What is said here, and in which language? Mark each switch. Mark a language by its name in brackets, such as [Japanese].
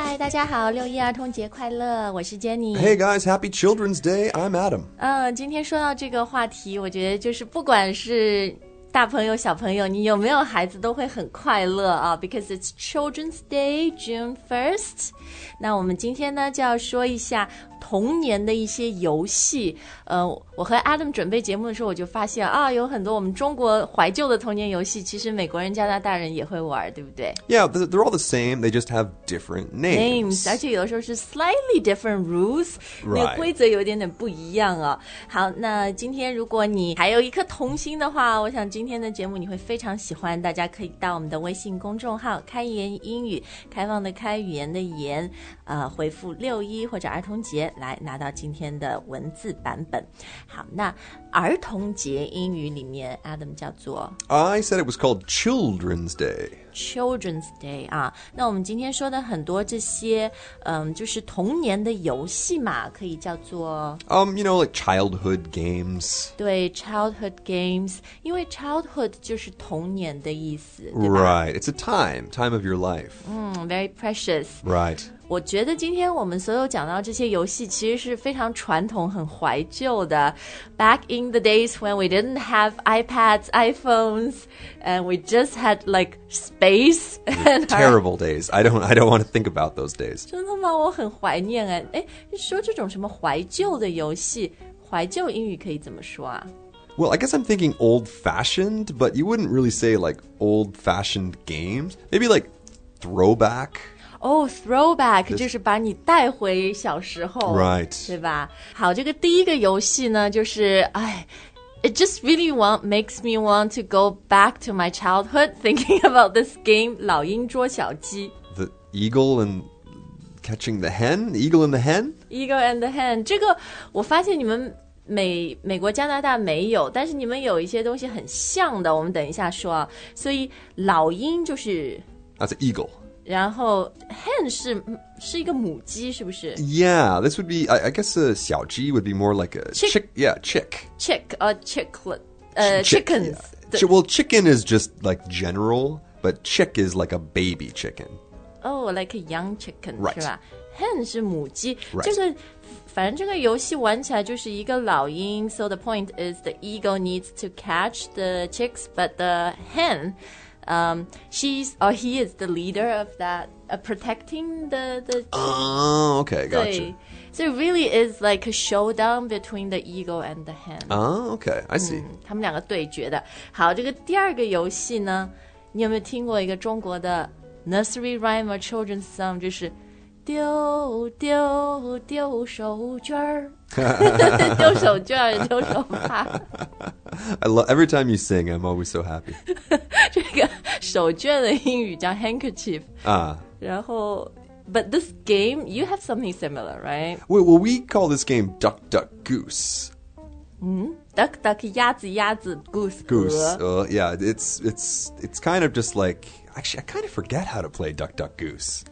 [Chinese] 家好，六一儿童节快乐，我是 Jenny。 [English] Hey guys, happy Children's Day, I'm Adam。 [Chinese] 今天说到这个话题，我觉得就是不管是大朋友小朋友，你有没有孩子都会很快乐啊。 [English] Because it's Children's Day, June 1st. [Chinese] 那我们今天呢就要说一下童年的一些游戏。我和 Adam 准备节目的时候，我就发现啊，有很多我们中国怀旧的童年游戏，其实美国人加拿大人也会玩，对不对？ [English] Yeah, they're all the same. They just have different names. [Chinese] 而且有的时候是 [English] slightly different rules. Right. [Chinese] 那个规则有点点不一样哦。好，那今天如果你还有一颗童心的话，我想今天的节目你会非常喜欢。大家可以到我们的微信公众号开言英语，开放的开，语言的言，回复六一或者儿童节来拿到今天的文字版本。好，那儿童节英语里面 Adam 叫做 [English] I said it was called Children's Day. [Chinese] Children's Day 啊，那我们今天说的很多这些，就是童年的游戏嘛，可以叫做 [English] You know, like childhood games. 对 ，childhood games. [Chinese] 因为 childhood 就是童年的意思，对吧 [English] ？Right. It's a time of your life. Very precious. Right. [Chinese] 我觉得今天我们所有讲到这些游戏其实是非常传统很怀旧的 [English] Back in the days when we didn't have iPads, iPhones, and we just had like space. Terrible days. I don't want to think about those days. [Chinese] 真的吗？我很怀念哎。哎，说这种什么怀旧的游戏，怀旧英语可以怎么说啊？ [English] Well, I guess I'm thinking old-fashioned, but you wouldn't really say like old-fashioned games. Maybe like throwback. [Chinese] throwback, 就是把你带回小时候。 [English] Right. [Chinese] 对吧？好，这个第一个游戏呢，就是，哎 [English] It just really makes me want to go back to my childhood thinking about this game, [Chinese] 老鹰捉小鸡。 [English] The eagle and catching the hen? The eagle and the hen? Eagle and the hen. [Chinese] 这个我发现你们美国加拿大没有，但是你们有一些东西很像的，我们等一下说啊。所以老鹰就是 [English] That's an eagle. [Chinese] 然后 hen 是一个母鸡，是不是 [English] ？Yeah, this would be. I guess a 小鸡 would be more like a chick. Yeah, chick. Chick or chicklet. Chickens. Yeah. Well, chicken is just like general, but chick is like a baby chicken. Oh, like a young chicken, right? [Chinese] 是吧 ？Hen 是母鸡。 [English] Right. [Chinese] 这个反正这个游戏玩起来就是一个老鹰。 [English] So the point is, the eagle needs to catch the chicks, but the hen. He is the leader of that, protecting the... Okay, gotcha. So it really is like a showdown between the eagle and the hen. Okay, I see. [Chinese] 他们两个对决的。好，这个第二个游戏呢，你有没有听过一个中国的 [English] nursery rhyme or children's song, [Chinese] 就是丢丢丢手绢丢手绢丢手帕 [English] I love, every time you sing, I'm always so happy. [Chinese] 这个手绢的英语叫 handkerchief. 然后 [English] But this game, you have something similar, right? Well, we call this game duck, duck, goose. Duck, duck, [Chinese] 鸭子鸭子 [English] goose, 鹅 Goose, yeah, it's kind of just like... Actually, I kind of forget how to play duck, duck, goose.